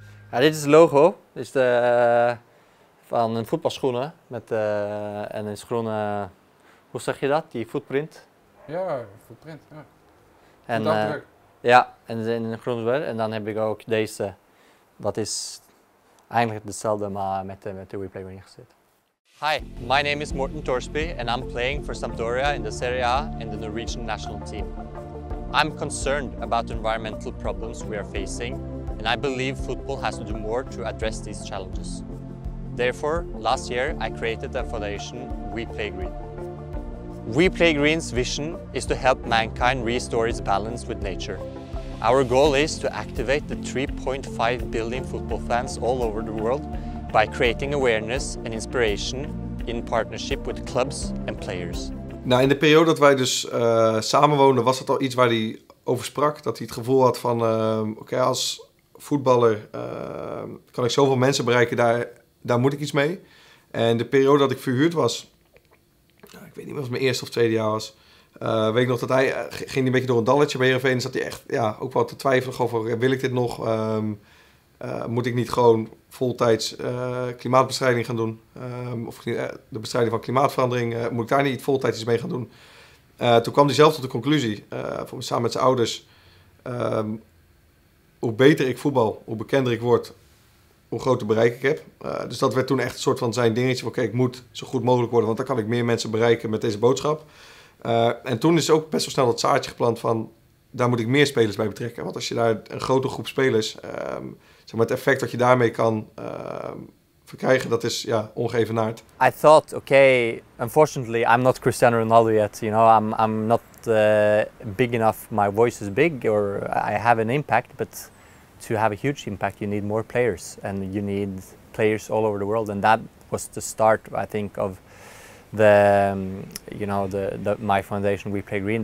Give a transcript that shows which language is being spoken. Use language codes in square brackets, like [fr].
[nl] Ja, dit is het logo. Dit is van een voetbalschoenen en een groene. Hoe zeg je dat, die footprint? Ja, footprint, ja. En in een groene zwerg. En dan heb ik ook deze. Dat is eigenlijk hetzelfde, maar met de WePlay erin gezet. [en] Hi, my name is Morten Torsby and I'm playing for Sampdoria in the Serie A in the Norwegian national team. I'm concerned about the environmental problems we are facing and I believe football has to do more to address these challenges. Therefore, last year I created the foundation WePlay Green. We Play Green's vision is to help mankind restore its balance with nature. Our goal is to activate the 3.5 billion football fans all over the world by creating awareness and inspiration in partnership with clubs and players. [nl] Nou, in de periode dat wij dus samenwoonden, was dat al iets waar hij over sprak. Dat hij het gevoel had van, als voetballer kan ik zoveel mensen bereiken, daar moet ik iets mee. En de periode dat ik verhuurd was, ik weet niet of het mijn eerste of tweede jaar was. Weet ik nog dat hij ging een beetje door een dalletje bij Heerenveen. En zat hij echt ook wel te twijfelen over, wil ik dit nog? Moet ik niet gewoon voltijds klimaatbestrijding gaan doen? De bestrijding van klimaatverandering, moet ik daar niet voltijds iets mee gaan doen? Toen kwam hij zelf tot de conclusie, samen met zijn ouders. Hoe beter ik voetbal, hoe bekender ik word, hoe groot bereik ik heb. Dus dat werd toen echt een soort van zijn dingetje. Oké, ik moet zo goed mogelijk worden, want dan kan ik meer mensen bereiken met deze boodschap. En toen is ook best wel snel dat zaadje geplant van, daar moet ik meer spelers bij betrekken. Want als je daar een grote groep spelers, het effect dat je daarmee kan verkrijgen, dat is ongeëvenaard. [en] I thought, unfortunately, I'm not Cristiano Ronaldo yet. You know, I'm not big enough. My voice is big or I have an impact, but to have a huge impact, you need more players, and you need players all over the world. And that was the start, I think, of the my foundation, We Play Green.